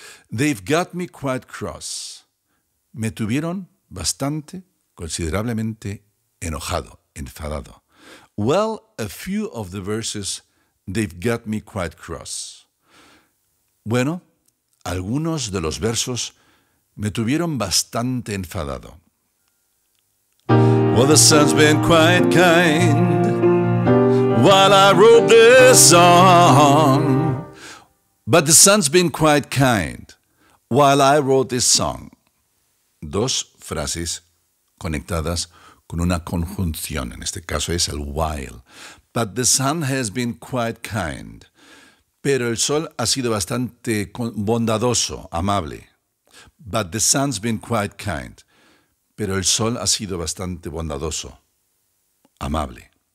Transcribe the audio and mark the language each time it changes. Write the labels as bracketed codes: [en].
[en] They've got me quite cross. [es] Me tuvieron bastante, considerablemente enojado, enfadado. [en] Well, a few of the verses, they've got me quite cross. [es] Bueno, algunos de los versos me tuvieron bastante enfadado. [en] Well, the sun's been quite kind while I wrote this song. But the sun's been quite kind while I wrote this song. [es] Dos frases conectadas con una conjunción, en este caso es el while. [en] But the sun has been quite kind. [es] Pero el sol ha sido bastante bondadoso, amable. [en] But the sun's been quite kind. [es] Pero el sol ha sido bastante bondadoso, amable.